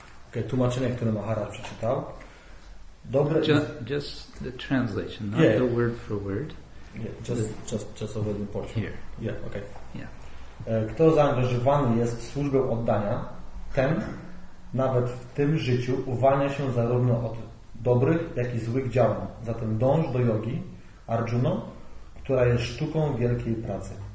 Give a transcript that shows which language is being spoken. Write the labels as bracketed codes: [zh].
[pl] Okay, tłumaczenie, które Maharaj przeczytał. [en] Just the translation, not the word for word. Yeah, just over the portion. Here. Yeah, okay. Yeah. [pl] Kto zaangażowany jest w służbę oddania, ten nawet w tym życiu uwalnia się zarówno od dobrych, jak i złych działań. Zatem dąż do jogi, Arjuna, która jest sztuką wielkiej pracy.